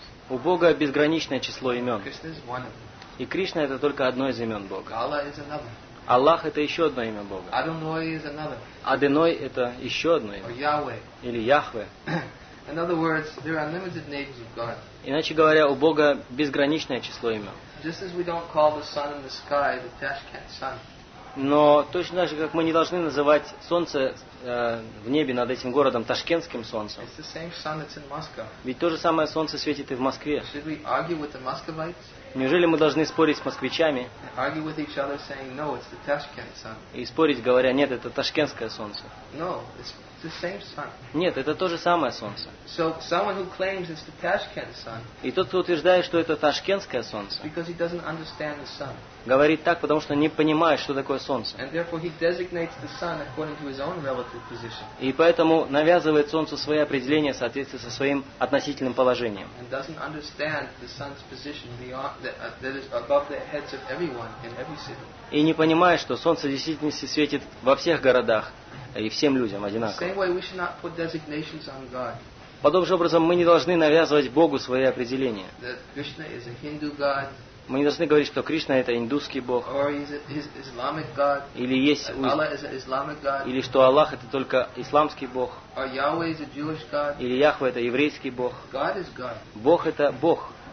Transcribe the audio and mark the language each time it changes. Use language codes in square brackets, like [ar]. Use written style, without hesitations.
[ru] У Бога безграничное число имен. И Кришна – это только одно из имен Бога. Аллах – это еще одно имя Бога. Адоной – это еще одно имя. Или Яхве. Иначе говоря, у Бога безграничное число имен. [en] Just as we don't call the sun in the sky the Tashkent sun. [ru] Но точно так же, как мы не должны называть солнце в небе над этим городом ташкентским солнцем. [en] It's the same sun that's in Moscow. [ru] Ведь то же самое солнце светит и в Москве. [en] Should we argue with the Muscovites? [ru] Неужели мы должны спорить с москвичами? [en] Argue with each other saying no, it's the Tashkent sun. [ru] И спорить, говоря: нет, это ташкентское солнце. [en] No, it's the same sun. [ru] Нет, это то же самое солнце. [en] So someone who claims it's the Tashkent sun. [ru] И тот, кто утверждает, что это ташкентское солнце. [en] Because he doesn't understand the sun. [ru] Говорит так, потому что не понимает, что такое солнце. [en] And therefore he designates the sun according to his own relative position. [ru] И поэтому навязывает солнцу свои определения в соответствии со своим относительным положением. [en] And doesn't understand the sun's position beyond that is above the heads of everyone in every city. [ru] И не понимает, что солнце в действительности светит во всех городах и всем людям одинаково. [en] Same way we should not put designations on God. [ru] Подобным же образом мы не должны навязывать Богу свои определения. [en] That Krishna is a Hindu god. [ru] Мы не должны говорить, что Кришна – это индусский бог. Или есть или что Аллах – это только исламский бог. Или Яхве – это еврейский бог. Бог – это Бог.